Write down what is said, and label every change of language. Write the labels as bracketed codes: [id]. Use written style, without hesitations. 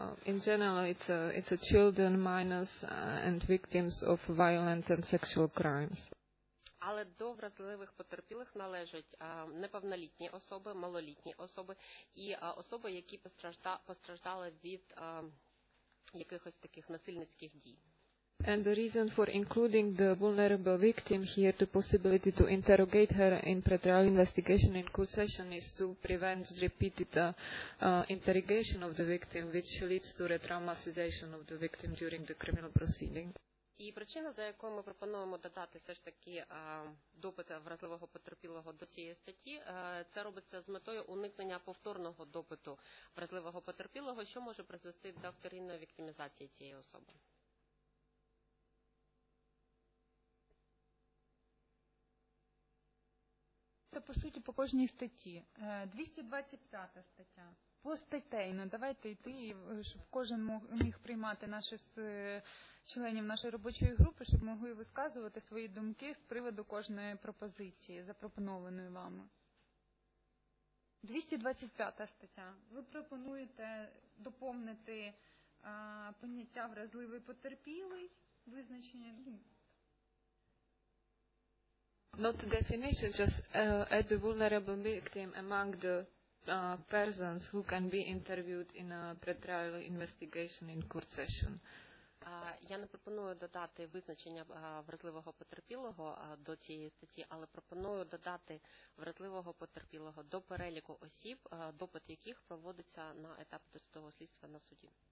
[en] In general, it's a children, minors and victims of violent and sexual crimes. [uk] Але до вразливих потерпілих належать неповнолітні особи, малолітні особи і особи, які постраждали від якихось таких насильницьких дій. [en] And the reason for including the vulnerable victim here, the possibility to interrogate her in pretrial investigation in court session is to prevent repeated interrogation of the victim, which leads to re-traumatization of the victim during the criminal proceeding. [uk] І причина, за якою ми пропонуємо додати все ж таки допит вразливого потерпілого до цієї статті, це робиться з метою уникнення повторного допиту вразливого потерпілого, що може призвести до вторинної віктимізації цієї особи. Це, по суті, по кожній статті. 225 стаття. Постатейно, давайте йти, щоб кожен міг приймати членів нашої робочої групи, щоб могли висказувати свої думки з приводу кожної пропозиції, запропонованої вами. 225 стаття. Ви пропонуєте доповнити поняття «вразливий потерпілий» визначення? [en] Not the definition, just add the vulnerable victim among the persons who can be interviewed in a pretrial investigation in court session. [uk] Я не пропоную додати визначення вразливого потерпілого до цієї статті, але пропоную додати вразливого потерпілого до переліку осіб, допит яких проводиться на етапі досудового слідства на суді.